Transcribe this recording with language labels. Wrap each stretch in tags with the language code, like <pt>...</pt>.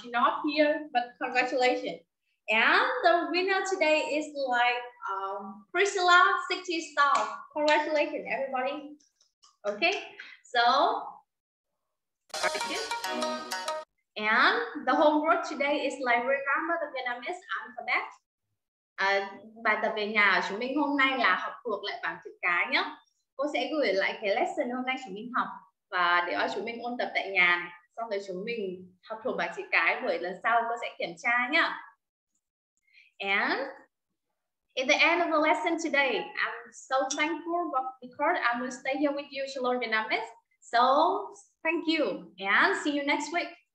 <en>She's not here, but congratulations. And the winner today is like Priscilla, 60 star. Congratulations, everybody. Okay, so very good. And the homework today is like remember the Vietnamese alphabet.</en> <vi>Bài tập về nhà chúng mình hôm nay là học thuộc lại bảng chữ cái nhé. Cô sẽ gửi lại cái lesson hôm nay chúng mình học và để chúng mình ôn tập tại nhà. Xong rồi chúng mình học thuộc bảng chữ cái, buổi lần sau cô sẽ kiểm tra nhé.</vi> <en>And at the end of the lesson today, I'm so thankful because I will stay here with you to learn Vietnamese. So thank you and see you next week.</en>